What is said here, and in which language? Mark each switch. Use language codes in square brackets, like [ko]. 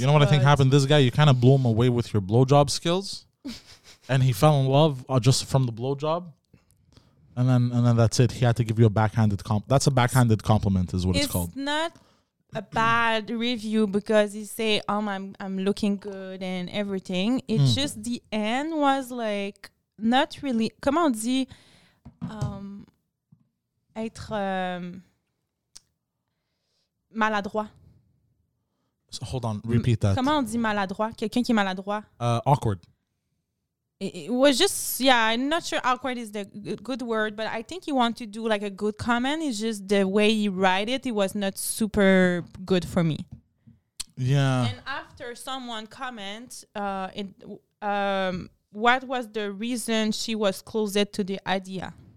[en] you know what I think happened. This guy, you kind of blew him away with your blowjob skills, and he fell in love just from the blowjob. And then that's it. He had to give you a backhanded compliment. That's a backhanded compliment, is what it's called. It's not a bad review because you say, oh, I'm looking good and everything. It's just the end was like not really. [fr] Come on, dit, être maladroit. [en] So hold on, repeat that. [fr] Comment on dit maladroit? Quelqu'un qui est maladroit? [en] Awkward. It was just, yeah, I'm not sure awkward is the good word, but I think he wanted to do like a good comment. It's just the way he write it was not super good for me. Yeah. And after someone comment, what was the reason she was closer to the idea?